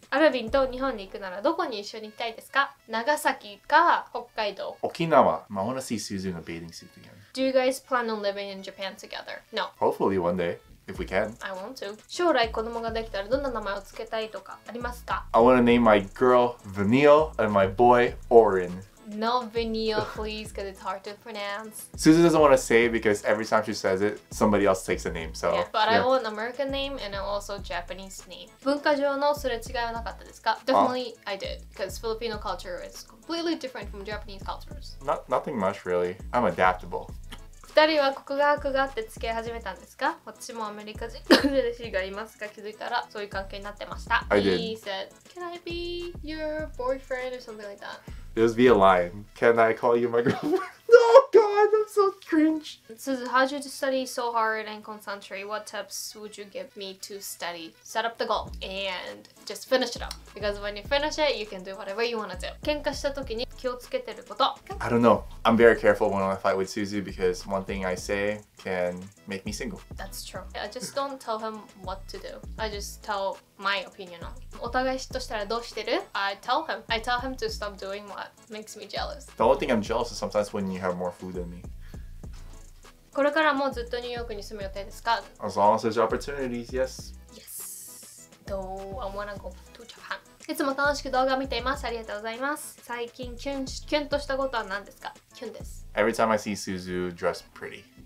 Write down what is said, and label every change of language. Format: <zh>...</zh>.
<ja>Alvin と日本に行くならどこに一緒に行きたいですか? 長崎か北海道?</ja> <en>沖縄.I want to see Suzu in a bathing suit again. Do you guys plan on living in Japan together? No. Hopefully one day. If we can. I want to.</en> <ja>将来子供ができたらどんな名前をつけたいとかありますか?</ja> <en>I want to name my girl Vanille and my boy Oren. Not vanilla, please, because it's hard to pronounce. Suzu doesn't want to say it because every time she says it, somebody else takes the name, so... Yeah, but yeah. I want an American name and also a Japanese name.</en> <ja>文化上のすれ違いはなかったですか?</ja> <en>Definitely, I did, because Filipino culture is completely different from Japanese cultures. Nothing much, really. I'm adaptable.</en> <ja>二人は国語学があってつけ始めたんですか私もアメリカ人の弟子がいますか気づいたらそういう関係になってました。</ja> <en>I did. He said, can I be your boyfriend or something like that? This would be a line. Can I call you my girlfriend? Oh god, I'm so cringe. Suzu, how did you study so hard and concentrate? What tips would you give me to study? Set up the goal and just finish it up. Because when you finish it, you can do whatever you want to do.</en> <ja>喧嘩した時に気をつけてること。</ja> <en>I don't know. I'm very careful when I fight with Suzu because one thing I say can make me single. That's true. I just don't tell him what to do. I just tell my opinion on it.</en> <ja>お互い嫉妬したらどうしてる?</ja> <en>I tell him to stop doing what makes me jealous. The only thing I'm jealous is sometimes when you have more food than me.</en> <ja>これからもずっとニューヨークに住む予定ですか?</ja> <en>As long as there's opportunities, yes. Yes. Do I wanna go to Japan?</en> <ja>いつも楽しく動画を見ています。ありがとうございます。最近キュンとしたことは何ですか? キュンです。</ja> <en>Every time I see Suzu dress pretty.</en>